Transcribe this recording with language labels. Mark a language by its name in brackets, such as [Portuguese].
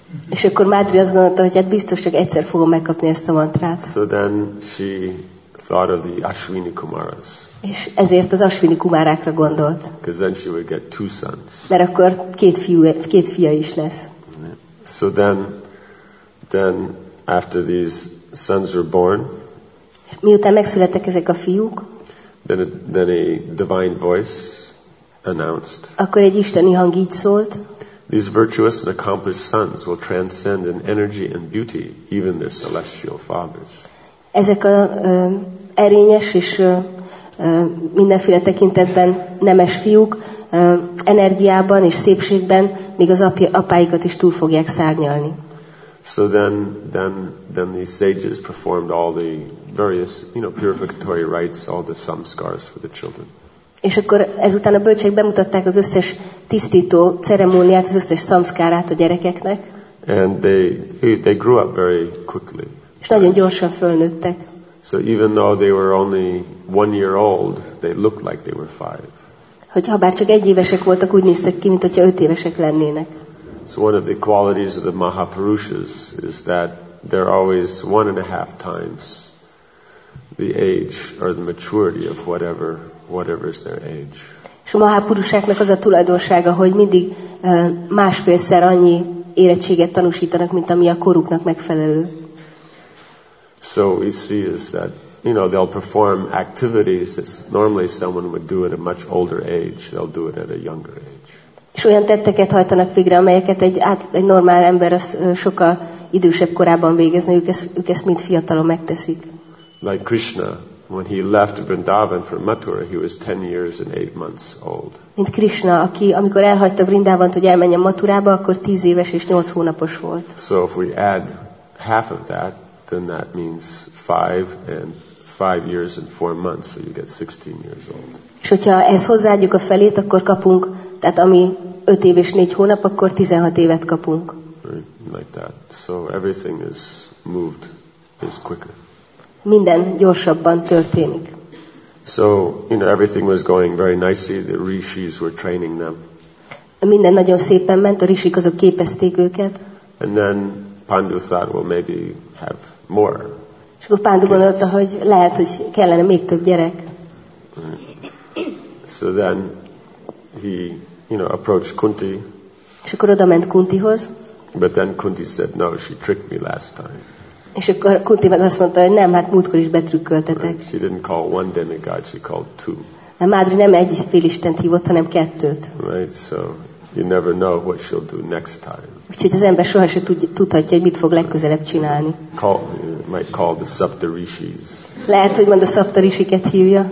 [Hungarian] És akkor Madri azt gondolta, hogy hát biztos csak egyszer fogom megkapni ezt a mantrát. [English] So then she thought of the Ashwini Kumaras. [Hungarian] És ezért az Ashwini Kumárákra gondolt. [English] Because then she would get two sons. [Hungarian] Mert akkor két fia is lesz. [English] So then after these sons were born. [Hungarian] Miután megszülettek ezek a fiúk. [English] Then a divine voice announced. [Hungarian] Akkor egy isteni hang így szólt. [English] These virtuous and accomplished sons will transcend in energy and beauty even their celestial fathers. [Hungarian] Ezek a erényes és mindenféle tekintetben nemes fiúk energiában és szépségben még az apáikat is túl fogják szárnyalni. [English] So then the sages performed all the various, you know, purificatory rites, all the samskaras for the children. [Hungarian] És akkor ezután a bölcsek bemutatták az összes tisztító ceremóniát, az összes samskárát a gyerekeknek. [English] And they grew up very quickly. [Hungarian] És nagyon gyorsan fölnőttek. [English] So even though they were only one year old, they looked like they were five. [Hungarian] Hogyha bár csak egy évesek voltak, úgy néztek ki, mint hogyha öt évesek lennének. [English] So one of the qualities of the Mahapurushas is that they're always one and a half times the age or the maturity of whatever is their age. [Hungarian] És a Mahapurusáknak az a tulajdonsága, hogy mindig másfélszer annyi érettséget tanúsítanak, mint ami a koruknak megfelelő. [English] So we see is that, you know, they'll perform activities that normally someone would do at a much older age, they'll do it at a younger age. [Hungarian] És olyan tetteket hajtanak végre, amelyeket egy normál ember sokkal idősebb korában végezni, ők ezt mind fiatalon megteszik. [English] Like Krishna, when he left Vrindavan for Mathura, he was 10 years and 8 months old. [Hungarian] Mint Krishna, aki amikor elhagyta Vrindavant, hogy elmenjen Mathurába, akkor 10 éves és 8 hónapos volt. [English] So if we add half of that, then that means 5 years and 4 months, so you get 16 years old. [Hungarian] És hogyha ezt hozzáadjuk a felét, akkor kapunk, tehát ami 5 év és 4 hónap, akkor 16 évet kapunk. [English] Like that. So everything is moved is quicker. [Hungarian] Minden gyorsabban történik. [English] So, you know, everything was going very nicely. The rishis were training them. [Hungarian] Minden nagyon szépen ment, a rishik azok képezték őket. [English] And then Pandu thought, well, maybe have more. [Hungarian] És akkor Pandu gondolta, hogy lehet, hogy kellene még több gyerek. [English] So then he, you know, approached Kunti. [Hungarian] És akkor oda ment Kuntihoz. [English] But then Kunti said, no, she tricked me last time. [Hungarian] És akkor Kunti meg azt mondta, hogy nem, hát múltkor is betrükköltetek. [English] She didn't call one demigod, she called two. [Hungarian] A Madri nem egy félistent hívott, hanem kettőt. [English] Right, so you never know what she'll do next time. [Hungarian] Úgyhogy az ember sohasem tudhatja, hogy mit fog legközelebb csinálni. [English] Might call the Saptarishis. [Hungarian] Lehet, hogy mond a Saptarishiket hívja.